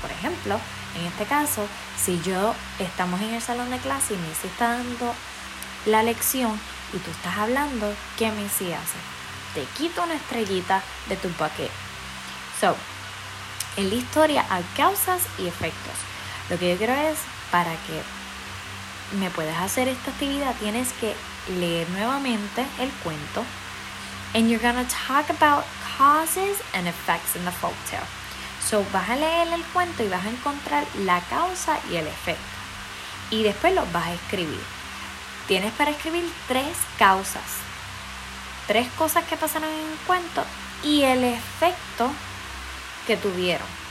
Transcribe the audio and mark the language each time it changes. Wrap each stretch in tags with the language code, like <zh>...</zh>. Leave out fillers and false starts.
<es>Por ejemplo, en este caso, si yo estamos en el salón de clase y misa está dando la lección y tú estás hablando, ¿qué misa hace? Te quito una estrellita de tu paquete. So, en la historia hay causas y efectos. Lo que yo quiero es, para que me puedas hacer esta actividad, tienes que leer nuevamente el cuento.</es> <en>And you're gonna talk about causes and effects in the folktale.</en> <es>So, vas a leer el cuento y vas a encontrar la causa y el efecto. Y después lo vas a escribir. Tienes para escribir tres causas. Tres cosas que pasaron en el cuento y el efecto que tuvieron.</es>